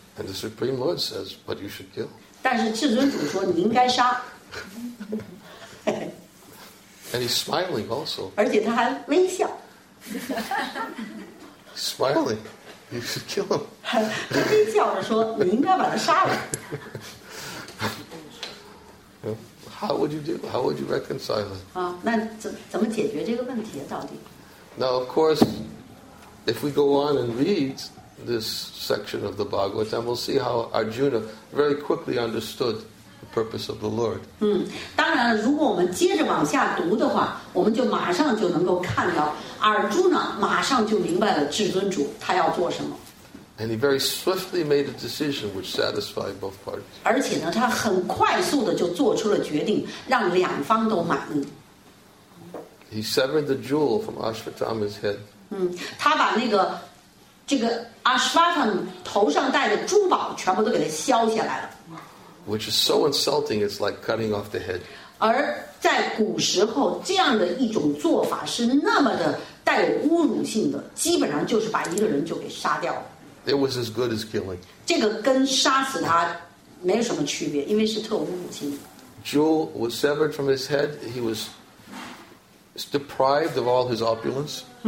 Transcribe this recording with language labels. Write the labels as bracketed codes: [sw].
[en] And the Supreme Lord says, but you should kill. [zh] 但是至尊主说你应该杀。 [en] And he's smiling also. [zh] 而且他还微笑。 [en] Smiling, you should kill him. [zh] 他微笑着说你应该把他杀了。 [en] How would you do? How would you reconcile it? [zh] 啊，那怎么解决这个问题啊？到底 [en] ？Now, of course, if we go on and read. This section of the Bhagavatam, we'll see how Arjuna very quickly understood the purpose of the Lord. [zh] 当然，如果我们接着往下读的话，我们就马上就能够看到 Arjuna 马上就明白了至尊主他要做什么。 [en] And he very swiftly made a decision which satisfied both parties. [zh] 而且呢，他很快速的就做出了决定，让两方都满意。 [en] He severed the jewel from Ashvatthama's head. [zh] 他把那个。这个阿斯巴坦头上戴的珠宝全部都给他削下来了。 [en] Which is so insulting, it's like cutting off the head. [zh] 而在古时候，这样的一种做法是那么的带有侮辱性的，基本上就是把一个人就给杀掉了。 [en] It was as good as killing. [zh] 这个跟杀死他没有什么区别，因为是特侮辱性的。 [en] Jewel was severed from his head. He was deprived of all his opulence.